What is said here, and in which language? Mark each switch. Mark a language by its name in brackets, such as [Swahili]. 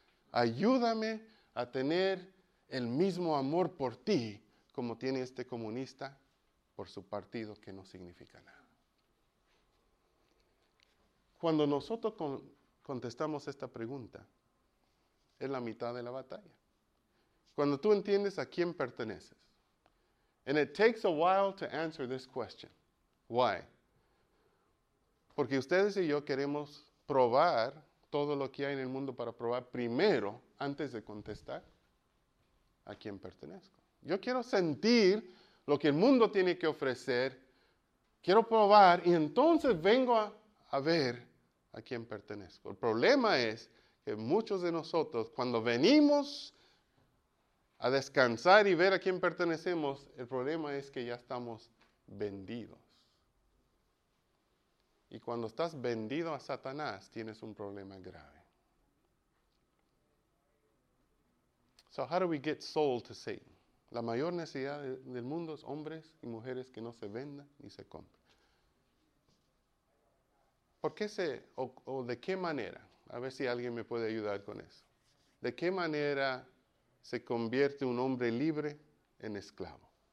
[Spanish] Ayúdame a tener el mismo amor por ti como tiene este comunista por su partido que no significa nada. Cuando nosotros contestamos esta pregunta, es la mitad de la batalla. Cuando tú entiendes a quién perteneces. [English] And it takes a while to answer this question. Why? [Spanish] Porque ustedes y yo queremos probar todo lo que hay en el mundo para probar primero, antes de contestar a quién pertenezco. Yo quiero sentir lo que el mundo tiene que ofrecer. Quiero probar y entonces vengo a ver a quién pertenezco. El problema es que muchos de nosotros, cuando venimos a descansar y ver a quién pertenecemos, el problema es que ya estamos vendidos. Y cuando estás vendido a Satanás, tienes un problema grave. [English] So how do we get sold to Satan? [Spanish] La mayor necesidad del mundo es hombres y mujeres que no se vendan ni se compren. ¿Por qué o de qué manera? A ver si alguien me puede ayudar con eso. ¿De qué manera se convierte un hombre libre en esclavo?